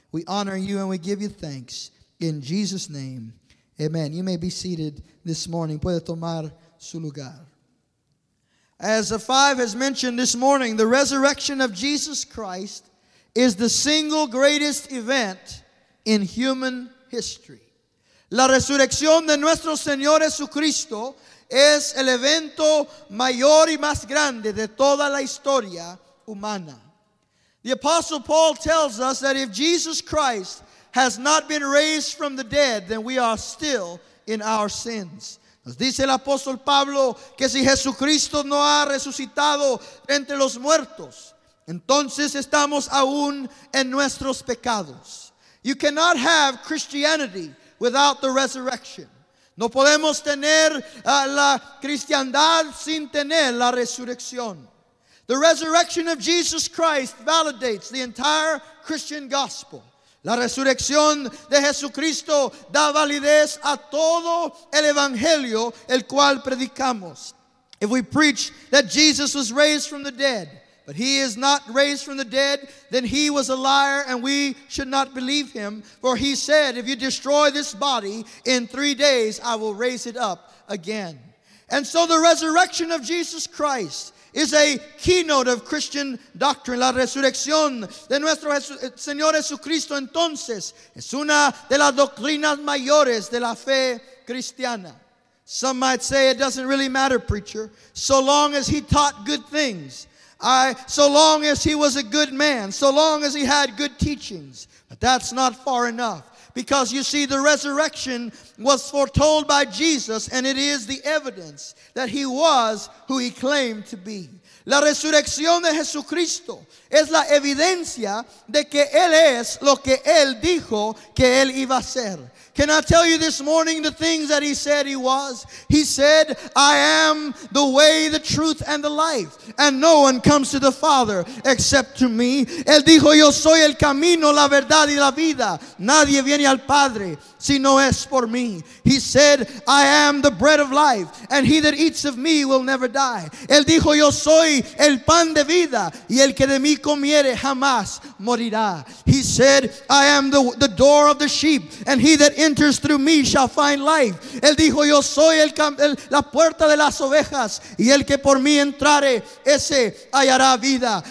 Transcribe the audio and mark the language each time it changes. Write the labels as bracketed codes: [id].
[en] We honor you and we give you thanks. In Jesus' name, amen. You may be seated this morning. [es] Puede tomar su lugar. [en] As the five has mentioned this morning, the resurrection of Jesus Christ is the single greatest event in human history. [es] La resurrección de nuestro Señor Jesucristo es el evento mayor y más grande de toda la historia humana. [en] The Apostle Paul tells us that if Jesus Christ has not been raised from the dead, then we are still in our sins. [es] Nos dice el Apostle Pablo que si Jesucristo no ha resucitado entre los muertos, entonces estamos aún en nuestros pecados. [en] You cannot have Christianity without the resurrection. [es] No podemos tener la cristiandad sin tener la resurrección. [en] The resurrection of Jesus Christ validates the entire Christian gospel. [es] La resurrección de Jesucristo da validez a todo el evangelio el cual predicamos. [en] If we preach that Jesus was raised from the dead, but he is not raised from the dead, then he was a liar and we should not believe him. For he said, "If you destroy this body, in 3 days I will raise it up again." And so the resurrection of Jesus Christ is a keynote of Christian doctrine. [es] La resurrección de nuestro Señor Jesucristo entonces es una de las doctrinas mayores de la fe cristiana. [en] Some might say it doesn't really matter, preacher, so long as he taught good things. So long as he was a good man, so long as he had good teachings. But that's not far enough. Because you see, the resurrection was foretold by Jesus, and it is the evidence that he was who he claimed to be. [es] La resurrección de Jesucristo es la evidencia de que él es lo que él dijo que él iba a ser. [en] Can I tell you this morning the things that he said he was? He said, "I am the way, the truth, and the life. And no one comes to the Father except to me." [es] Él dijo, "Yo soy el camino, la verdad, y la vida. Nadie viene al Padre si no es por mí." [en] He said, "I am the bread of life. And he that eats of me will never die." [es] Él dijo, "Yo soy el pan de vida. Y el que de mí comiere jamás morirá." [en] He said, "I am the door of the sheep. And he that enters through me shall find life. [es] Él dijo, yo soy la puerta de las ovejas, y el que por mí entrare, ese hallará vida.